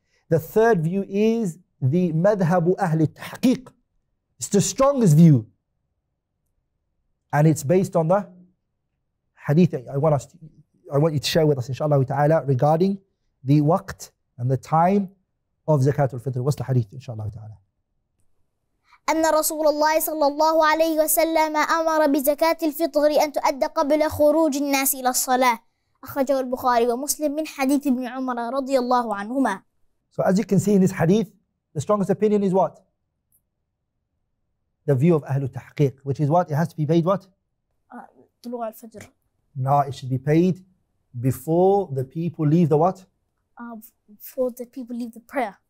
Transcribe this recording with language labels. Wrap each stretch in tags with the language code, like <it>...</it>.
<en>The third view is the madhhab ahli tahqiq. It's the strongest view. And it's based on the hadith. I want you to share with us, inshallah ta'ala, regarding the waqt and the time of Zakatul Fitr. What's the hadith, inshallah ta'ala?</en> <ar>أن رسول الله صلى الله عليه وسلم أمر بزكاة الفطر أن تؤدى قبل خروج الناس إلى الصلاة. أخرجه البخاري ومسلم من حديث ابن عمر رضي الله عنهما.</ar> <en>So as you can see in this hadith, the strongest opinion is what? The view of أهل التحقيق, which is what? It has to be paid what?</en> <ar>طلوع الفجر.</ar> <en>No, it should be paid before the people leave the what? Before the people leave the prayer.</en>